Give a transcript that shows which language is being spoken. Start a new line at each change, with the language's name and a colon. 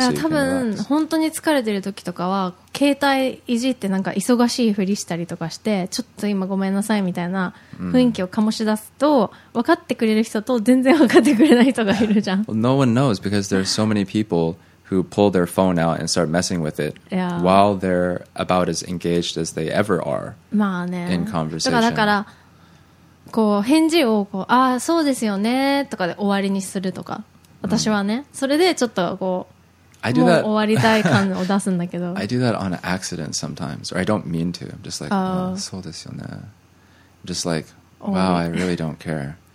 Japanese: So 多分本当に疲れてる時とかは携帯いじってなんか忙しいふりしたりとかして、ちょっと今ごめんなさいみたいな雰囲気を醸し出すと、分かってくれる人と全然分かってくれない人がいるじゃん。
English: Well, no one knows because there are so many people who pull their phone out and start messing with it、 yeah. while they're about as engaged as they ever are、
Japanese: まあね、
English: in conversation.
Japanese: だからこう返事をこう、あ、そうですよねとかで終わりにするとか、私はね、mm. それでちょっとこう、
English: I do that.
Japanese: もう終わりたい感を出すんだけど、
English: I do that on accident sometimes, or I don't mean to. I'm just like, oh,
Japanese: そうですよね、
English: I'm just like, wow, I really don't care.